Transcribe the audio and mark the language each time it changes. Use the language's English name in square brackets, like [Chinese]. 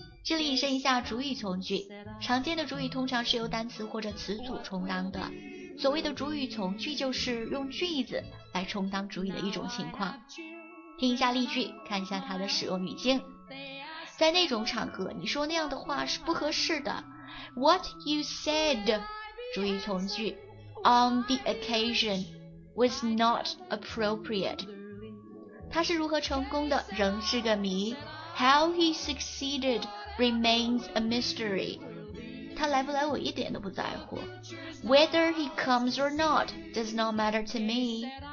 [Chinese] 这里引申一下主语从句，常见的主语通常是由单词或者词组充当的，所谓的主语从句就是用句子来充当主语的一种情况。听一下例句，看一下它的使用语境。在那种场合，你说那样的话是不合适的。 [English] What you said, 主语从句 on the occasion was not appropriate. [Chinese] 他是如何成功的仍是个谜。 [English] How he succeeded remains a mystery. [Chinese] 他来不来我一点都不在乎。 [English] Whether he comes or not does not matter to me.